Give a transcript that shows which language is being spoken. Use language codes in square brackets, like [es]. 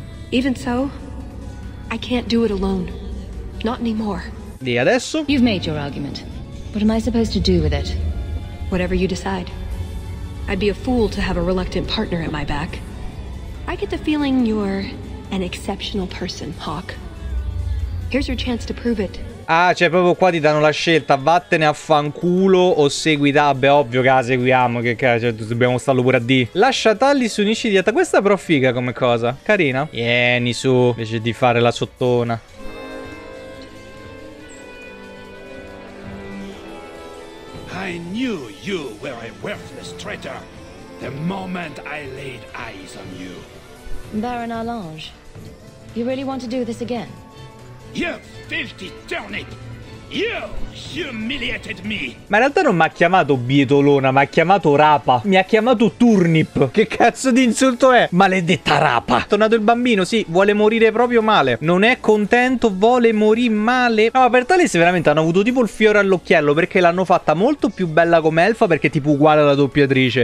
[en] Even so, I can't do it alone. Not anymore. [it] E adesso? [en] You've made your argument. What am I supposed to do with it? Whatever you decide. I'd be a fool to have a reluctant partner at my back. I get the feeling you're an exceptional person, Hawk. Here's your chance to prove it. [it] Ah, cioè proprio qua ti danno la scelta: vattene a fanculo o segui Tabbe. Ovvio che la seguiamo, che cazzo, cioè, dobbiamo starlo pure a D. Lascia Talis, unisci dieta. Questa però figa come cosa, carina. Vieni su, invece di fare la sottona. [en] I knew you were a worthless traitor the moment I laid eyes on you. Baron Arlange, you really want to do this again? You filthy turnip! You humiliated me! [it] Ma in realtà non mi ha chiamato bietolona, mi ha chiamato rapa. Mi ha chiamato turnip. Che cazzo di insulto è? Maledetta rapa! Tornato il bambino, sì, vuole morire proprio male. Non è contento, vuole morire male. No, ma per Talis veramente hanno avuto tipo il fiore all'occhiello, perché l'hanno fatta molto più bella come elfa, perché è tipo uguale alla doppiatrice.